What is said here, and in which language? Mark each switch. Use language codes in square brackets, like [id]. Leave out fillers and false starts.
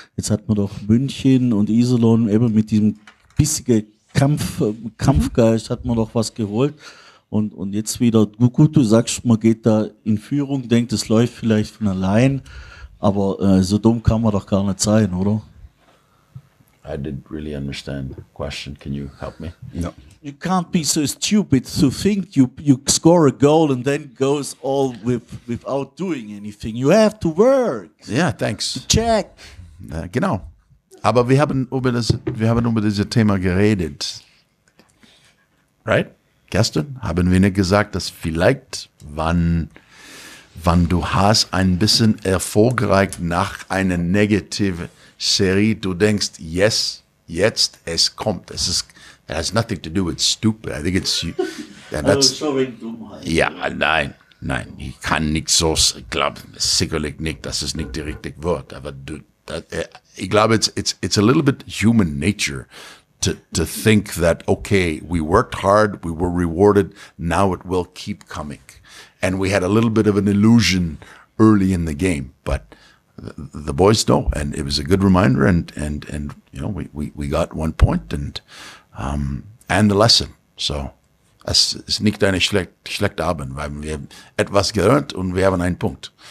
[de] Jetzt hat man doch München und Iserlohn eben mit diesem bissigen Kampfgeist hat man doch was geholt. Und jetzt wieder, gut, du sagst, man geht da in Führung, denkt, es läuft vielleicht von allein, aber so dumm kann man doch gar nicht sein, oder? [en] I didn't really understand the question. Can you help me? No. You can't be so stupid to think you score a goal and then goes all without doing anything. You have to work. Yeah, thanks. Check. [de] Genau. Aber wir haben über dieses Thema geredet. [en] Right? [de] Gestern haben wir nicht gesagt, dass vielleicht, wann du hast ein bisschen erfolgreich nach einer negativen Serie, du denkst, yes, jetzt, es kommt. Es ist, [en] it has nothing to do with stupid. I think it's, yeah, that's, showing dummheit. [de] Ja, nein, ich kann nicht so, ich glaube, sicherlich nicht, das ist nicht die richtige Wort, aber ich glaube, [en] it's a little bit human nature. To think that, okay, we worked hard, we were rewarded, now it will keep coming. And we had a little bit of an illusion early in the game, but the boys know, and it was a good reminder, and you know, we got 1 point and the lesson. [de] So, es ist nicht ein schlechter Abend, weil wir haben etwas gelernt und wir haben 1 Punkt.